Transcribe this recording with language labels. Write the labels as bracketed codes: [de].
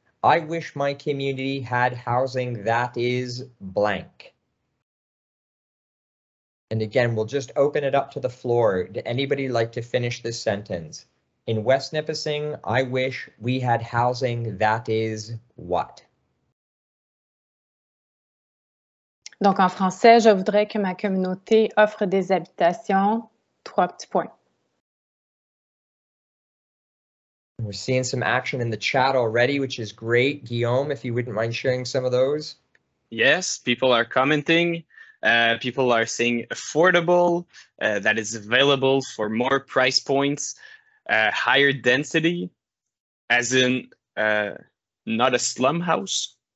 [en] I wish my community had housing that is blank. And again, we'll just open it up to the floor. Did anybody like to finish this sentence? in West Nipissing, I wish we had housing that is what? [fr] Donc, en français, je voudrais que ma communauté offre des habitations. Trois petits points. [en] We're seeing some action in the chat already, which is great. Guillaume, if you wouldn't mind sharing some of those. Yes, people are commenting. People are saying affordable, that is available for more price points, higher density, as in not a slum house.